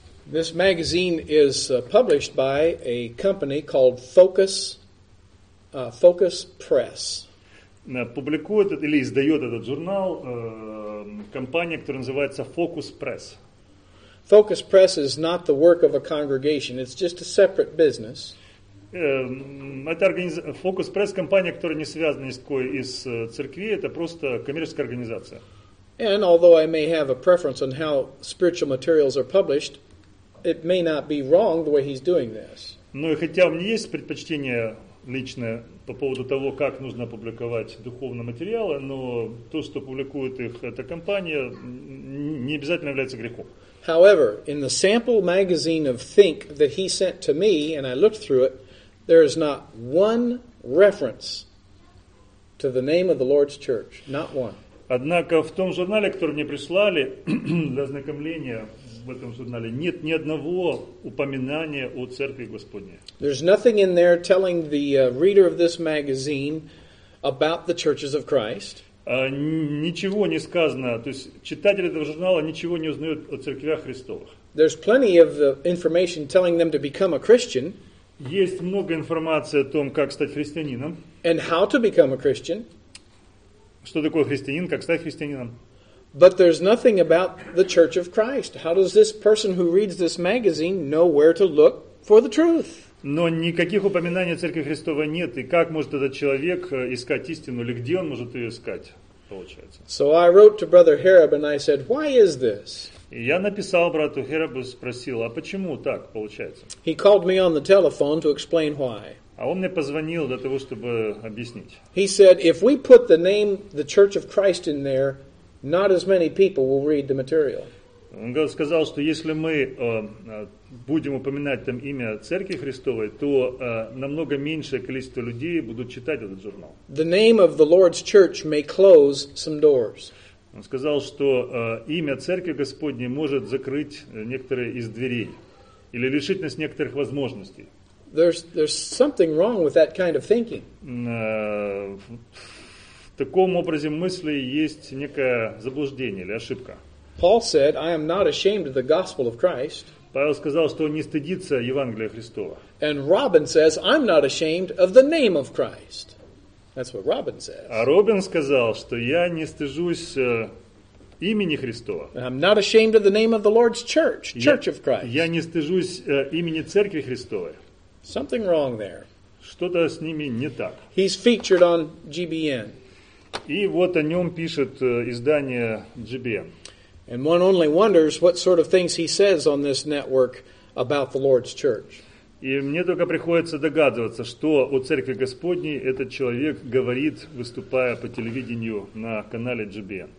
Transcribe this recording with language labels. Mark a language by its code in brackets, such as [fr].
[en] This magazine is published by a company called Focus Press. [ru] Публикует или издает этот журнал компания, которая называется Focus Press. [en] Focus Press is not the work of a congregation, it's just a separate business. [ru] Focus Press – компания, которая не связана ни с какой из церквей, это просто коммерческая организация. [en] And although I may have a preference on how spiritual materials are published, it may not be wrong the way he's doing this. [ru] Ну и хотя у меня есть предпочтение личное по поводу того, как нужно публиковать духовные материалы, но то, что публикует их эта компания, не обязательно является грехом. [en] However, in the sample magazine of Think that he sent to me, and I looked through it, there is not one reference to the name of the Lord's Church. Not one. [ru] Однако в том журнале, который мне прислали для ознакомления, в этом журнале нет ни одного упоминания о Церкви Господней. [en] There's nothing in there telling the reader of this magazine about the churches of Christ. [ru] Ничего не сказано, то есть читатель этого журнала ничего не узнает о церквях Христовых. [en] There's plenty of information telling them to become a Christian. [ru] Есть много информации о том, как стать христианином. [en] And how to become a Christian. [ru] Что такое христианин, как стать христианином. [en] But there's nothing about the Church of Christ. How does this person who reads this magazine know where to look for the truth? [ru] Но никаких упоминаний о Церкви Христовой нет. И как может этот человек искать истину, или где он может ее искать, получается? [en] So I wrote to Brother Harab and I said, why is this? [ru] И я написал брату Харабу и спросил, а почему так получается? [en] He called me on the telephone to explain why. [ru] А он мне позвонил для того, чтобы объяснить. [en] He said, if we put the name the Church of Christ in there, not as many people will read the material. [ru] Он сказал, что если мы будем упоминать там имя Церкви Христовой, то намного меньшее количество людей будут читать этот журнал. [en] The name of the Lord's Church may close some doors. [ru] Он сказал, что имя Церкви Господней может закрыть некоторые из дверей или лишить нас некоторых возможностей. [en] there's something wrong with that kind of thinking. [ru] В таком образе мысли есть некое заблуждение или ошибка. [en] Paul said, "I am not ashamed of the gospel of Christ." [ru] Павел сказал, что он не стыдится Евангелия Христова. [en] And Robin says, "I'm not ashamed of the name of Christ." That's what Robin says. [ru] А Робин сказал, что я не стыжусь имени Христова. [en] I'm not ashamed of the name of the Lord's church, Church of Christ. [ru] Я не стыжусь имени Церкви Христовой. [en] Something wrong there. [ru] Что-то с ними не так. [en] He's featured on GBN. [ru] И вот о нем пишет издание GBN. [en] And one only wonders what sort of things he says on this network about the Lord's church. [ru] И мне только приходится догадываться, что о Церкви Господней этот человек говорит, выступая по телевидению на канале GBN.